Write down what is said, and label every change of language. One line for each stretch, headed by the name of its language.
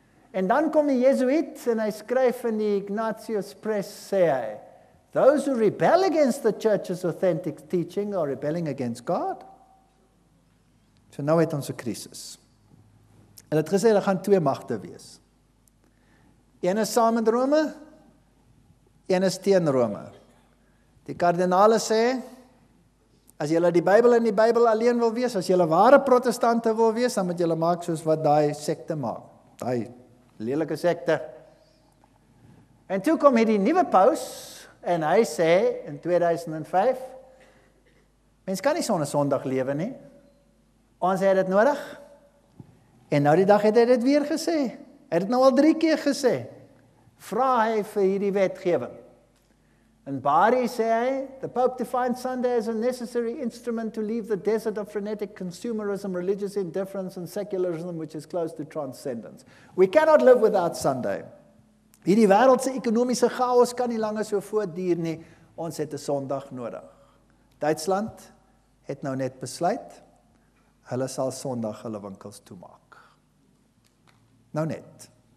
Afrikaans: En dan kom die Jesuit en hy skryf in die Ignatius Press, sê hy,
English: those who rebel against the church's authentic teaching are rebelling against God.
Afrikaans: So nou het ons 'n krisis. En het gesê, daar gaan twee magte wees. Een is saam met Rome, een is teen Rome. Die kardinale sê, as julle die Bybel in die Bybel alleen wil wees, as julle ware protestante wil wees, dan moet julle maak soos wat daai sekte maak. Daai lelike sekte. En toe kom hierdie nuwe paus, en hy sê in 2005, mens kan nie sonder Sondag lewe nie. Ons het dit nodig. En nou die dag het hy dit weer gesê. Hy het dit nou al 3 keer gesê. Vra hy vir hierdie wetgewing. En Bari sê hy,
English: the Pope defines Sunday as a necessary instrument to leave the desert of frenetic consumerism, religious indifference and secularism, which is close to transcendence. We cannot live without Sunday.
Afrikaans: Hierdie wêreldse ekonomiese chaos kan nie langer so voortduur nie. Ons het 'n Sondag nodig. Duitsland het nou net besluit, hulle sal Sondag hulle winkels toemaak. Nou net.